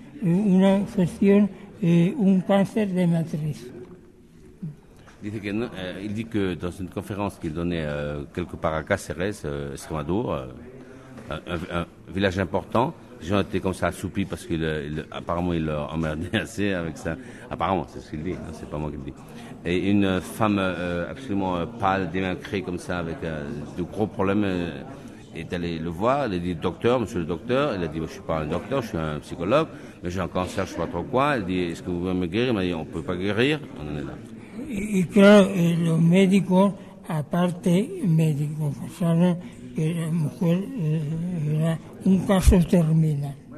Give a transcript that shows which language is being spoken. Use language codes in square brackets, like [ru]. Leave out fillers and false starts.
[es] Una afección, un cáncer de matriz. Dice que [fr] il dit que dans une conférence qu'il donnait quelque part à Cáceres, Extremadura, un village important, les gens étaient comme ça assoupis parce qu'apparemment il leur emmerdait assez avec ça. Apparemment, c'est ce qu'il dit, hein, c'est pas moi qui le dis. Et une femme absolument pâle, démacrée comme ça, avec de gros problèmes, est allée le voir. Elle a dit: docteur, monsieur le docteur. Elle a dit: je ne suis pas un docteur, je suis un psychologue, mais j'ai un cancer, je ne sais pas trop quoi. Elle dit: est-ce que vous pouvez me guérir? Elle m'a dit: on ne peut pas guérir, on en est là. [es] Y claro, los médicos, aparte, médicos, pensaron que la mujer era un caso terminal.